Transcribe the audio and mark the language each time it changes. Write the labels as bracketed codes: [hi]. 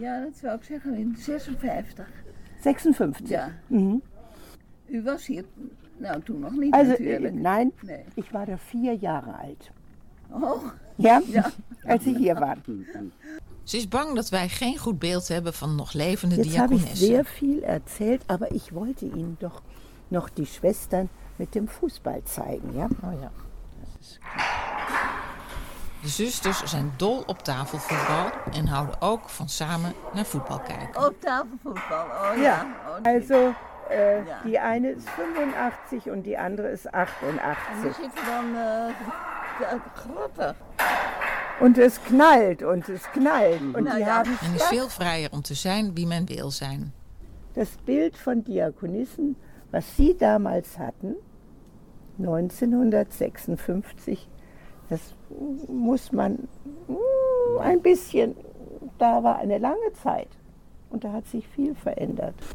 [nl] Ja, dat zou ik zeggen, in 56. 56? Ja. U was hier... Nou, toen nog niet also, natuurlijk. Nee. Ik was er 4 jaar oud. Oh. Ja? Als ze hier waren. Ze is bang dat wij geen goed beeld hebben van nog levende diakonessen. [de] Jetzt habe ich sehr viel erzählt, aber ich wollte Ihnen doch noch die Schwestern mit dem Fußball zeigen, ja? Oh ja. [nl] De zusters zijn dol op tafelvoetbal en houden ook van samen naar voetbal kijken. Op tafelvoetbal, oh ja. Okay. Also, ja. Die eine is 85 en die andere is 88. En die zitten dan grappig. En het knalt, en het knalt. En die hebben en is veel vrijer om te zijn wie men wil zijn. [de] Das Bild von Diakonissen, was sie damals hatten, 1956, das muss man ein bisschen, da war eine lange Zeit und da hat sich viel verändert.